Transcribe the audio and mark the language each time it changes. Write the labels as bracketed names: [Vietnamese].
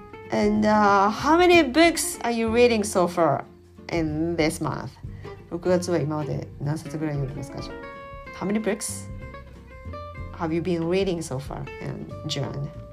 [English] And、how many books are you reading so far in this month? [Japanese] 6月は今まで何冊ぐらい読んでますか？ [English] How many books have you been reading so far in June?